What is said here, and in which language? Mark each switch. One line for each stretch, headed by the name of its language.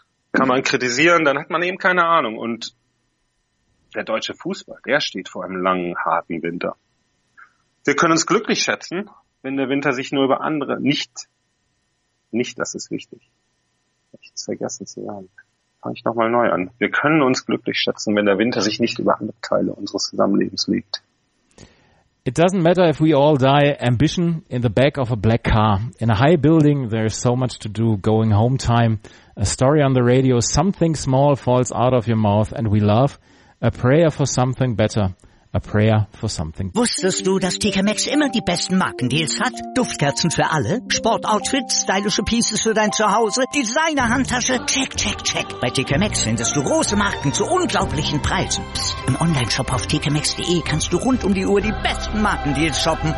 German: Kann man kritisieren, dann hat man eben keine Ahnung. Und der deutsche Fußball, der steht vor einem langen, harten Winter. Wir können uns glücklich schätzen, wenn der Winter sich nur über andere nicht, das ist wichtig. Wir können uns glücklich schätzen, wenn der Winter sich nicht über andere Teile unseres Zusammenlebens legt.
English: It doesn't matter if we all die, ambition in the back of a black car. In a high building, there is so much to do, going home time. A story on the radio, something small falls out of your mouth and we love. A prayer for something better. A prayer for something.
German: Wusstest du, dass TK Maxx immer die besten Markendeals hat? Duftkerzen für alle, Sportoutfits, stylische Pieces für dein Zuhause, Designer-Handtasche, check, check, check. Bei TK Maxx findest du große Marken zu unglaublichen Preisen. Psst. Im Onlineshop auf tkmaxx.de kannst du rund um die Uhr die besten Markendeals shoppen.